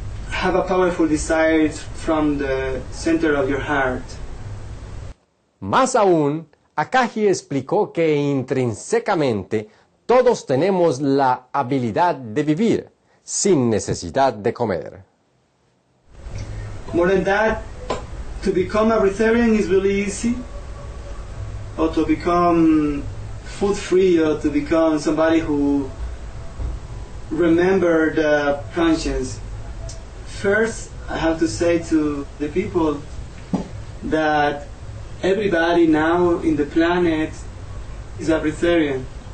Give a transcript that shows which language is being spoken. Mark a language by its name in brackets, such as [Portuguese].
[English] Have a powerful desire from the center of your heart. [Spanish] Más aún, Akagi explicó que intrínsecamente todos tenemos la habilidad de vivir sin necesidad de comer. [English] More than that, to become a vegetarian is really easy, or to become food free, or to become somebody who remember the conscience. First, I have to say to the people that everybody now in the planet is a breatharian.